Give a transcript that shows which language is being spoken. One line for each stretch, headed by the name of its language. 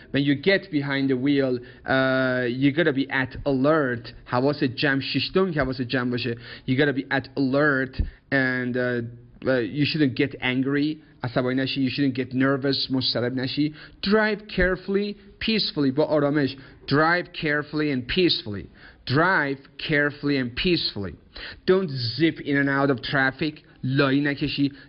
English: When you get behind the wheel, you gotta be at alert.
Persian: حواس جمع ششتون که حواس جمع باشه.
English: You gotta be at alert and you shouldn't get angry.
Persian: عصبانی نشی.
English: You shouldn't get nervous.
Persian: مضطرب نشی.
English: Drive carefully, peacefully.
Persian: با آرامش.
English: Drive carefully and peacefully. Drive carefully and peacefully. Don't zip in and out of traffic.
Persian: لایی نکشی.